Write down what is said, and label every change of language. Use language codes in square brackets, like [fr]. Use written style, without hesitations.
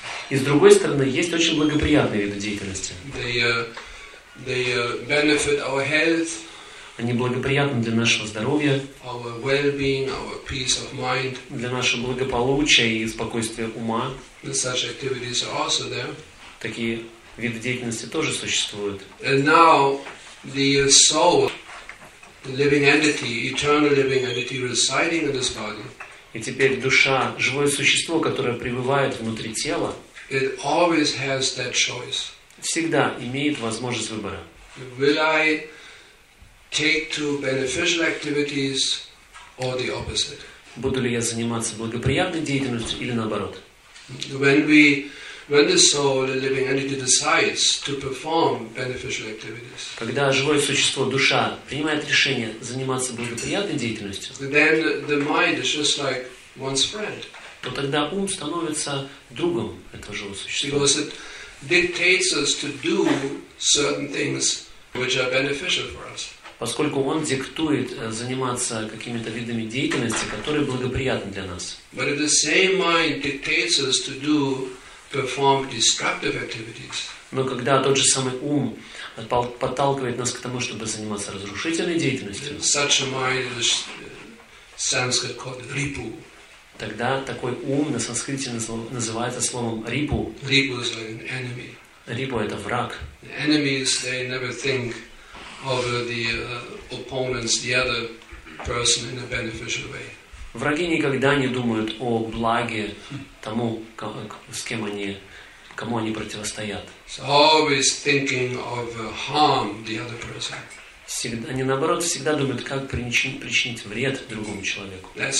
[ru] И с другой стороны, есть очень благоприятные виды деятельности. [en] They benefit our health. [ru] Они благоприятны для нашего здоровья. [en] Our well-being, our peace of mind. [ru] Для нашего благополучия и спокойствия ума. [en] And such activities are also there. [ru] Такие виды деятельности тоже существуют. [en] And now the soul, the living entity, eternal living entity, residing in this body. [ru] И теперь душа, живое существо, которое пребывает внутри тела, [en] it always has that choice. [ru] Всегда имеет возможность выбора. [en] Will I take to beneficial activities or the opposite? [ru] Буду ли я заниматься благоприятной деятельностью или наоборот? [en] When the soul, the living entity, decides to perform beneficial activities, [ru] когда живое существо, душа, принимает решение заниматься благоприятной деятельностью, [en] then the mind is just like one's friend. [ru] То тогда ум становится другом этого живого существа. [en] Because it dictates us to do certain things which are beneficial for us. [ru] Поскольку он диктует заниматься какими-то видами деятельности, которые благоприятны для нас. [en] But if the same mind dictates us to do perform destructive activities. [ru] Но когда тот же самый ум подталкивает нас к тому, чтобы заниматься разрушительной деятельностью, [en] such a mind is Sanskrit called ripu. [ru] Тогда такой ум на санскрите называется словом ripu. [en] Ripu is like an enemy. [ru] Ripu — это враг. [en] Enemies, they never think of the opponents, the other person in a beneficial way. [ru] Враги никогда не думают о благе тому, с кем они, кому они противостоят. Они, наоборот, всегда думают, как причинить вред другому человеку.